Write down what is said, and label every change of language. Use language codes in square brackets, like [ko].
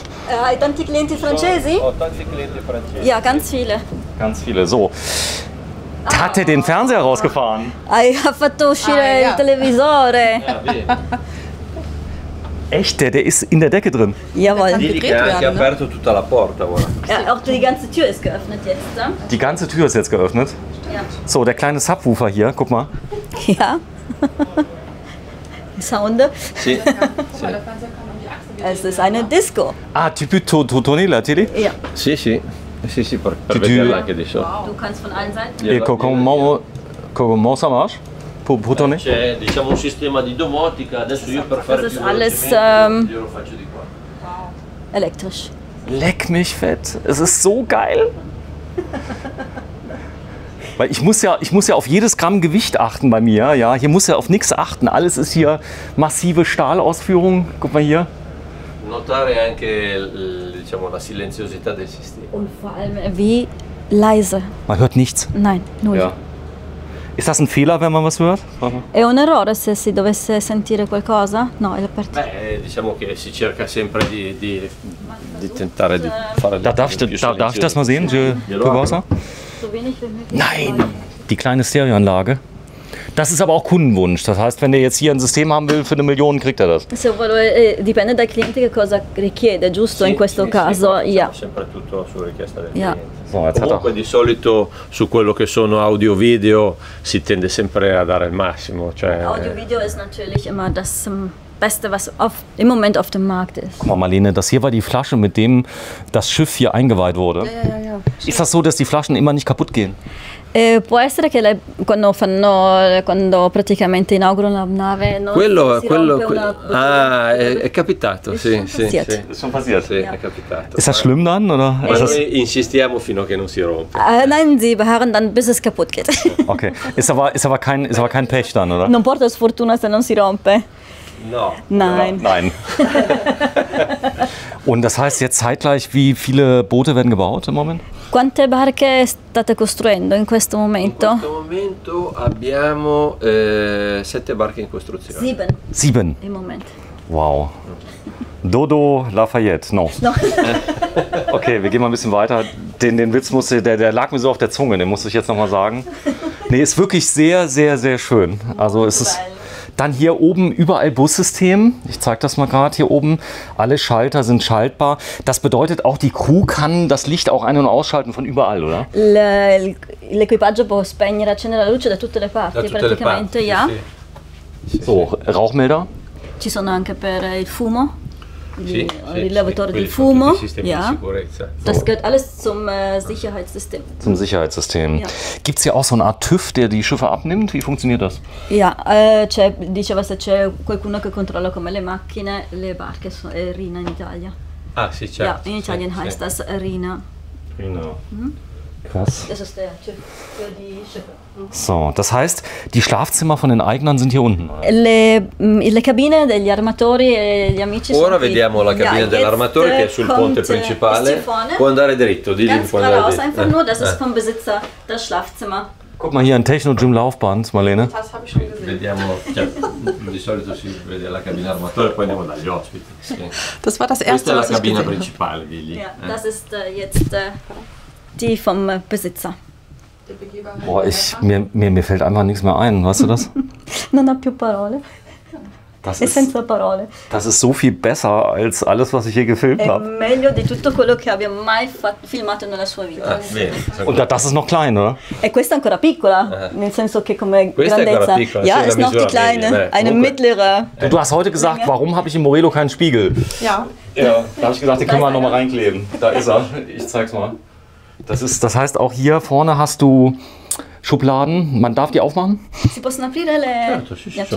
[it] Hai tanti clienti francesi? Ho tanti clienti francesi. [de] Ja, ganz viele. Ganz viele, so. Hat er den Fernseher rausgefahren? [it] Hai fatto uscire il televisore. [de] Echt, der ist in der Decke drin. Jawohl. Die ganze Tür ist geöffnet jetzt. Ne? Die ganze Tür ist jetzt geöffnet? Ja. So, der kleine Subwoofer hier, guck mal. Ja. Sound. Es ist eine Disco. [fr] Ah, tu peux tourner la télé? [de] Ja. [it] Si, si. Si, si, per vedere anche di show. [de] Du kannst von allen Seiten. [it] E come [fr] ça marche? Pour tourner? [it] C'è, diciamo, un sistema di domotica. Adesso io per fare più velocemente, io lo faccio di qua. [de] Wow. Elektrisch. Leck mich fett. Es ist so geil. Weil ich muss ja auf jedes Gramm Gewicht achten bei mir, ja. Hier muss ja auf nichts achten. Alles ist hier massive Stahlausführung. Guck mal hier. [it] Notare anche, diciamo, la silenziosità del sistema. [de] Und vor allem, wie leise. Man hört nichts. Nein, null. Ja. Ist das ein Fehler, wenn man was hört? [it] È un errore se si dovesse sentire qualcosa? No, è per te. Diciamo che si cerca sempre di tentare di fare. [de] Darf ich das mal sehen, Giulio? Nein, die kleine Stereoanlage. Das ist aber auch Kundenwunsch. Das heißt, wenn der jetzt hier ein System haben will für eine Million, kriegt er das. [it] Se vuole, dipende dal cliente che cosa richiede, giusto? In questo caso, [de] ja. [it] Sempre tutto su richiesta del cliente. Comunque di solito su quello che sono audio video si tende sempre a dare il massimo. Cioè [de] audio video ist natürlich immer das Beste, was im Moment auf dem Markt ist. Guck mal, Marlene, das hier war die Flasche, mit dem das Schiff hier eingeweiht wurde. Ja. Ist das so, dass die Flaschen immer nicht kaputt gehen? [it] Può essere che quando praticamente inaugurano la nave non quello, si quello, rompe una... è capitato, sì, sono [de] passiert. [it] Sì, è capitato. [de] Ist das schlimm dann, oder? [it] Noi insistiamo fino a che non si rompe. [de] Nein, sie beharren dann, bis es kaputt geht. Okay, ist aber kein Pech dann, oder? [it] Non porta sfortuna se non si rompe. No. [de] Nein. Ja, nein. Und das heißt jetzt zeitgleich, wie viele Boote werden gebaut im Moment? [it] Quante barche state costruendo in questo momento? In questo momento abbiamo 7 barche in costruzione. 7. 7. [de] Im Moment. Wow. Dodo Lafayette. No. No. Okay, wir gehen mal ein bisschen weiter. Den Witz musste, der lag mir so auf der Zunge, den musste ich jetzt nochmal sagen. Nee, ist wirklich sehr, sehr, sehr schön. Also es ist... Dann hier oben überall Bussystem. Ich zeige das mal gerade hier oben. Alle Schalter sind schaltbar. Das bedeutet auch, die Crew kann das Licht auch ein- und ausschalten von überall, oder? [it] L'equipaggio può spegnere, accendere la luce da tutte le parti, praticamente, [de] ja. So, Rauchmelder. [it] Ci sono anche per il fumo. Sì, il lavatore del fumo. [de] Ja. Das gehört alles zum Sicherheitssystem. Zum Sicherheitssystem. Ja. Gibt es hier auch so eine Art TÜV, der die Schiffe abnimmt? Wie funktioniert das? Ja, [it] c'è, diceva se c'è qualcuno che controlla come le macchine, le barche, RINA in Italia. Ah, sì, certo. [de] Ja, in Italien heißt das RINA. RINA. Krass. Das ist der TÜV für die Schiffe. So, das heißt, die Schlafzimmer von den Eignern sind hier unten. [it] Le cabine degli armatori e gli amici. Ora vediamo la cabina dell'armatore che è sul ponte principale. Può andare dritto, di lì può andare. [de] Ganz geradeaus, einfach nur, das ist vom Besitzer das Schlafzimmer. Guck mal hier ein Techno Gym Laufband, Marlene. Das habe ich schon gesehen. [it] Vediamo, di solito si vede la cabina armatore, poi andiamo dagli ospiti. [de] Das war das erste, was ich gesehen habe. [it] Cabina principale di lì. [de] Das ist jetzt die vom Besitzer. Boah, mir fällt einfach nichts mehr ein, weißt du das? [it] Non ho più parole. [de] Das sind so Parole. Das ist so viel besser als alles, was ich hier gefilmt habe. [it] È meglio di tutto quello che abbia mai filmato nella sua vita. [de] Und das ist noch klein, oder? [it] E questa ancora piccola, nel senso che come grandezza. [de] Ja, ist noch die kleine, eine mittlere. Du hast heute gesagt, warum habe ich im Morello keinen Spiegel? Ja. Ja, da habe ich gesagt, den können wir nochmal reinkleben. Da ist er. Ich zeig's mal. Das heißt, auch hier vorne hast du Schubladen. Man darf die aufmachen? [it] Sie possono aprire le...